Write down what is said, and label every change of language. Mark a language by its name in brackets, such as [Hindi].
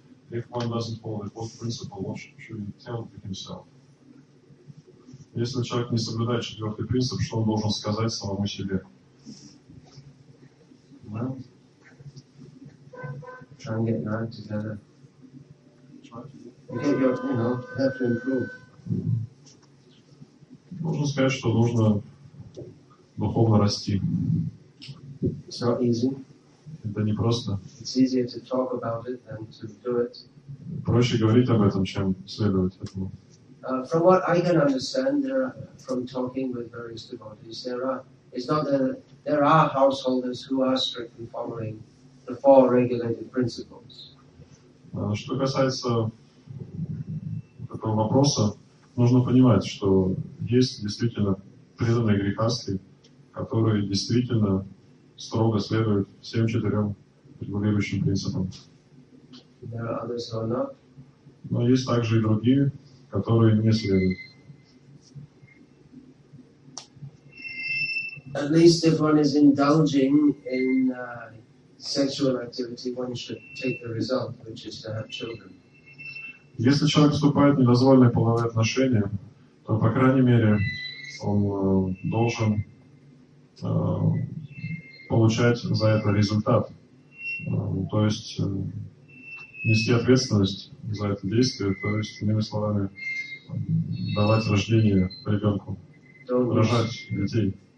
[English] If one doesn't follow the fourth principle, what should he tell himself? [Russian] Если человек не соблюдает четвертый принцип, что он должен сказать самому себе? [English] Well, try and get married together. Have to improve. [Russian] Можно сказать, что нужно духовно расти. [English] It's not easy. [Russian] Это не просто. [English] It's easier to talk about it than to do it. [Russian] Проще говорить об этом, чем следовать этому. [English] From what I can understand, from talking with various devotees, there are householders who are strictly following the four regulated principles. [Russian] Что касается этого вопроса, нужно понимать, что есть действительно преданные грехасты, которые действительно строго следует всем четырем регулирующим принципам. [English] There are others who are not. [Russian] Но есть также и другие, которые не следуют. [English] At least if one is indulging in sexual activity, one should take the result, which is to have children. [Russian] Если человек вступает в недозволенные половые отношения, то, по крайней мере, он должен получать за это результат, то есть нести ответственность за это действие, то есть, иными словами, давать рождение ребенку, рожать детей.